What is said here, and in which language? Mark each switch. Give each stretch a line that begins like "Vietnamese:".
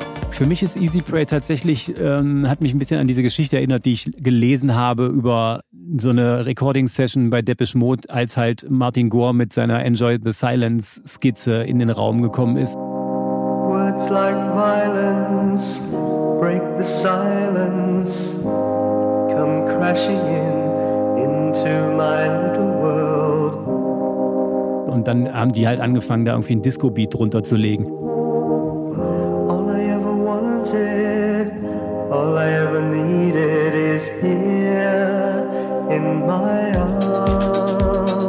German: Für mich ist Easy Prey tatsächlich, hat mich ein bisschen an diese Geschichte erinnert, die ich gelesen habe über so eine Recording-Session bei Depeche Mode, als halt Martin Gore mit seiner Enjoy the Silence-Skizze in den Raum gekommen ist.
English: Words like violence break the silence, come crashing in into my little world.
German: Und dann haben die halt angefangen, da irgendwie ein Disco-Beat drunter zu legen.
English: All I ever wanted, all I ever needed is here in my arms.